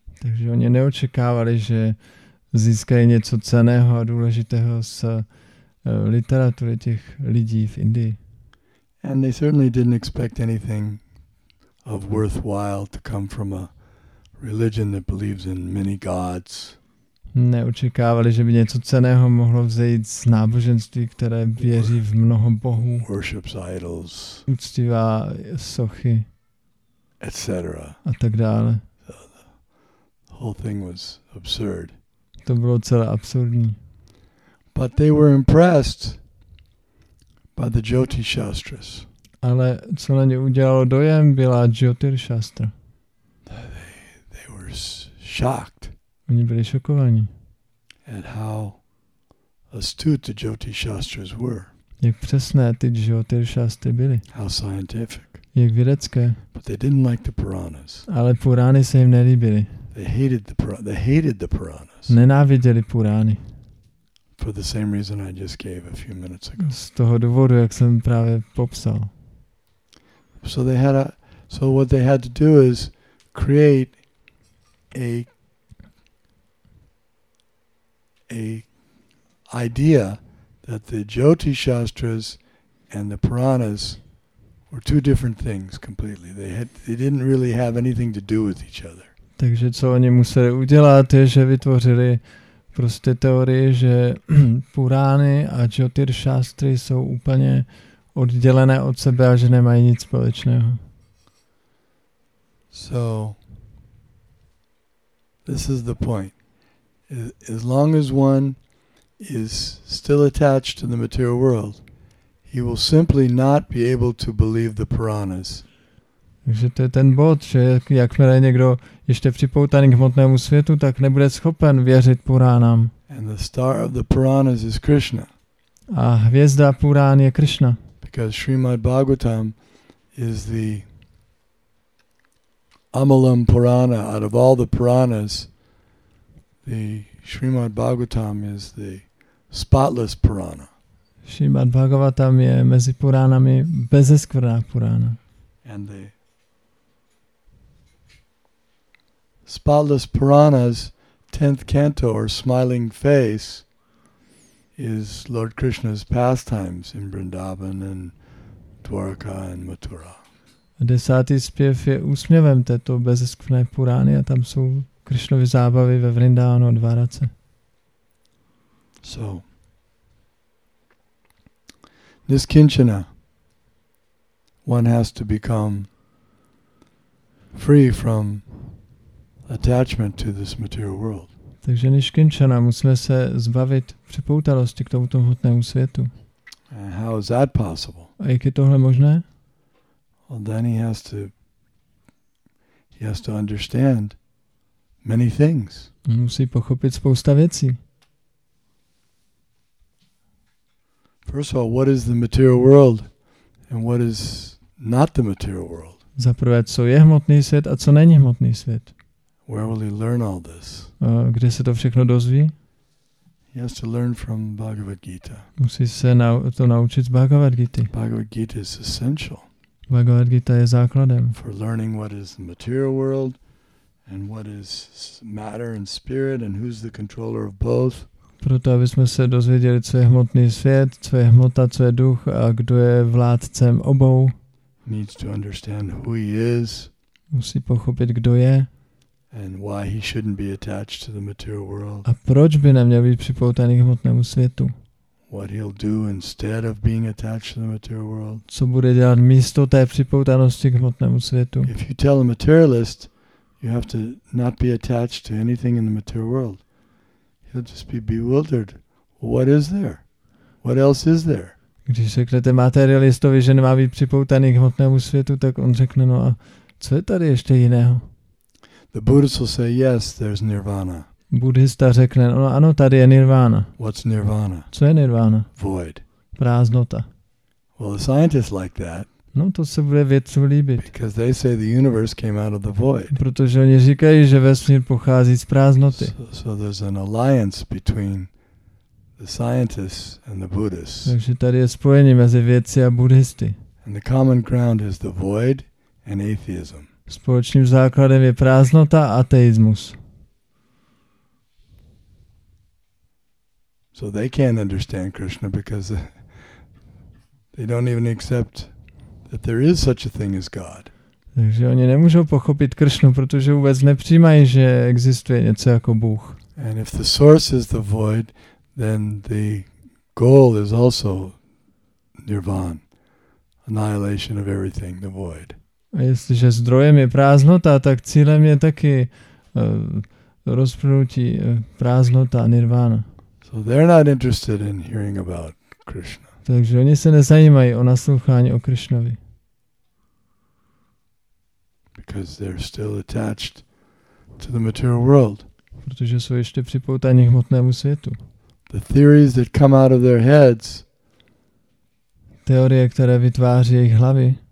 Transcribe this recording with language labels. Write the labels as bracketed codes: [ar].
[cs] Takže oni neočekávali, že získají něco cenného a důležitého z literatury těch lidí v Indii. [en] And they certainly didn't expect anything of worthwhile to come from a religion that believes in many gods. [cs] Neočekávali, že by něco cenného mohlo vzejít z náboženství, které věří v mnoho bohů. [en] Worships idols. [cs] Uctívá sochy. [en] Etc. [cs] A tak dále. [en] The whole thing was absurd. [cs] To bylo celé absurdní. [en] But they were impressed by the Jyoti Shastras. [cs] Ale co na ně udělalo dojem, byla Jyotir Shastra. [en] They were shocked. [cs] Oni byli šokovaní. [en] At how astute the Jyoti Shastras were. [cs] Jak přesné ty Jyotir Shastry byly. [en] How scientific. [cs] Jak vědecké. [en] But they didn't like the Puranas. [cs] Ale Purány se jim nelíbily. [en] They hated the Puranas. [cs] Nenáviděli Purány. [en] For the same reason I just gave a few minutes ago. [cs] Z toho důvodu, jak jsem právě popsal. [en] So what they had to do is create a idea that the Jyoti Shastras and the Puranas were two different things completely. They didn't really have anything to do with each other. [cs] Takže co oni museli udělat, je, že vytvořili prostě teorii, že Purány a Jyotir Shastry jsou úplně oddělené od sebe a že nemají nic společného. [en] So this is the point. As long as one is still attached to the material world, he will simply not be able to believe the Puranas. [cs] Takže to je ten bod, že jakmile někdo ještě připoutaný k hmotnému světu, tak nebude schopen věřit Puránám. [en] And the star of the Puranas is Krishna. [cs] A hvězda Purán je Krishna. [en] Because Srimad Bhagavatam is the Amalam Purana. Out of all the Puranas, the Srimad Bhagavatam is the spotless Purana. [cs] Srimad Bhagavatam je mezi Puránami bezeskvrná Purana. [en] And the Spotless Puranas, 10th canto, or smiling face, is Lord Krishna's pastimes in Vrindavan and Dwarka and Mathura. [cs] Desátý zpěv je úsměvem této bezeskvrné Purány a tam jsou Krishnovy zábavy ve Vrindavanu a Dvarace. [en] So, Niskinchana, one has to become free from attachment to this material world. [cs] Takže Niskinchana, musíme se zbavit připoutalosti k tomuto hmotnému světu. [en] And how is that possible? [cs] A jak je tohle možné? [en] Well, then he has to understand many things. [cs] Musí pochopit spousta věcí. [en] First of all, what is the material world and what is not the material world? [cs] Za prvé, co je hmotný svět a co není hmotný svět? [en] Where will he learn all this? [cs] Kde se to všechno dozví? [en] He has to learn from Bhagavad Gita. [cs] Musí se to naučit z Bhagavad Gity. [en] Bhagavad Gita is essential. [cs] Bhagavad Gita je základem. [en] For learning what is the material world and what is matter and spirit and who's the controller of both. [cs] Proto aby jsme se dozvěděli, co je hmotný svět, co je hmota, co je duch a kdo je vládcem obou. [en] Needs to understand who he is. [cs] Musí pochopit, kdo je. [en] And why he shouldn't be attached to the material world. [cs] A proč by neměl být připoutaný k hmotnému světu? [en] What he'll do instead of being attached to the material world. [cs] Co bude dělat místo té připoutanosti k hmotnému světu? [en] If you tell a materialist, you have to not be attached to anything in the material world. He'll just be bewildered. What is there? What else is there? [cs] Když řeknete materialistovi, že nemá být připoutaný k hmotnému světu, tak on řekne, no a co je tady ještě jiného? [en] The Buddhists will say, yes, there's nirvana. [cs] Buddhista řekne, no ano, tady je nirvana. [en] What's nirvana? [cs] Co je nirvana? [en] Void. [cs] Prázdnota. [en] Well, the scientists like that. [cs] No, to se bude vědcům líbit. [en] Because they say the universe came out of the void. [cs] Protože oni říkají, že vesmír pochází z prázdnoty. [en] So there's an alliance between the scientists and the Buddhists. [cs] Takže tady je spojení mezi vědci a buddhisty. [en] And the common ground is the void and atheism. [cs] Společným základem je prázdnota a ateismus. [en] So they can't understand Krishna because they don't even accept that there is such a thing as God. [cs] Takže oni nemůžou pochopit Krishnu, protože vůbec nepřijímají, že existuje něco jako Bůh. [en] And if the source is the void, then the goal is also nirvana, annihilation of everything, the void. [cs] A jestliže zdrojem je prázdnota, tak cílem je taky rozprnutí, prázdnota a nirvana. [en] So they're not interested in hearing about Krishna. [cs] Takže oni se nezajímají o naslouchání o Krishnovi. [en] Because they're still attached to the material world. [cs] Protože jsou ještě připoutaní k hmotnému světu. [en] The theories that come out of their heads, [cs] teorie, které vytváří jejich hlavy,